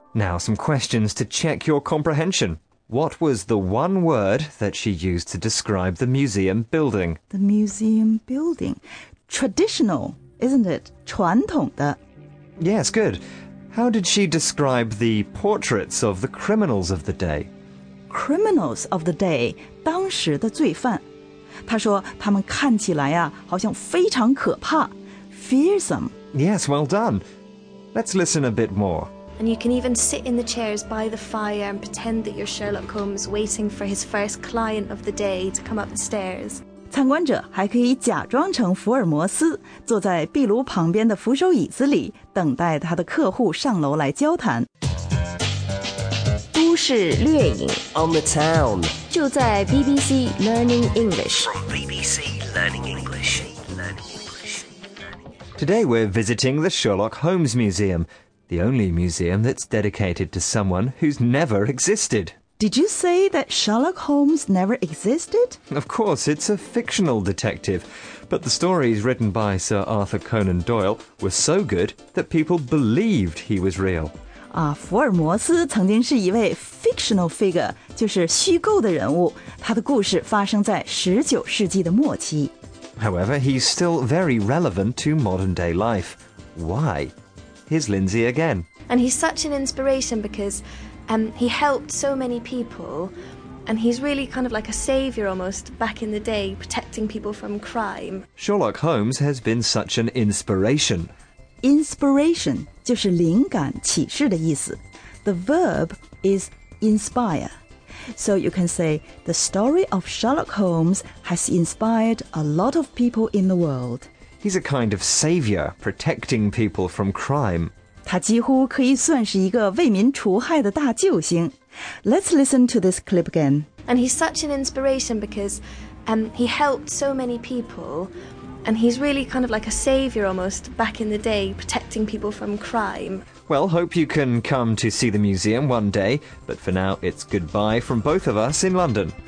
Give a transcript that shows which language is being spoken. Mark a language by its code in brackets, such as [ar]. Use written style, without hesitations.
[en] Now some questions to check your comprehension. What was the one word that she used to describe the museum building? The museum building. Traditional, isn't it? [zh] 传统的 [en] Yes, good. How did she describe the portraits of the criminals of the day? Criminals of the day, [zh] 当时的罪犯。她说他们看起来啊，好像非常可怕。 [en] Fearsome. Yes, well done. Let's listen a bit more. And you can even sit in the chairs by the fire and pretend that you're Sherlock Holmes waiting for his first client of the day to come upstairs. [zh] 参观者还可以假装成福尔摩斯，坐在壁炉旁边的扶手椅子里，等待他的客户上楼来交谈。都市掠影 [en] On the town [zh] 就在 [en] BBC Learning English. From BBC Learning English. Today we're visiting the Sherlock Holmes Museum. The only museum that's dedicated to someone who's never existed. Did you say that Sherlock Holmes never existed? Of course, it's a fictional detective. But the stories written by Sir Arthur Conan Doyle were so good that people believed he was real. [zh] 福尔摩斯曾经是一位 [en] fictional figure, [zh] 就是虚构的人物。他的故事发生在19世纪的末期。 [en] However, he's still very relevant to modern day life. Why? Here's Lindsay again. And he's such an inspiration because he helped so many people, and he's really kind of like a saviour almost back in the day, protecting people from crime. Sherlock Holmes has been such an inspiration. [zh] Inspiration 就是灵感启示的意思。 [en] The verb is inspire. So you can say, the story of Sherlock Holmes has inspired a lot of people in the world. He's a kind of savior, protecting people from crime. [zh] 他几乎可以算是一个为民除害的大救星。 [en] Let's listen to this clip again. And he's such an inspiration because he helped so many people, and he's really kind of like a savior almost back in the day, protecting people from crime. Well, hope you can come to see the museum one day, but for now, it's goodbye from both of us in London.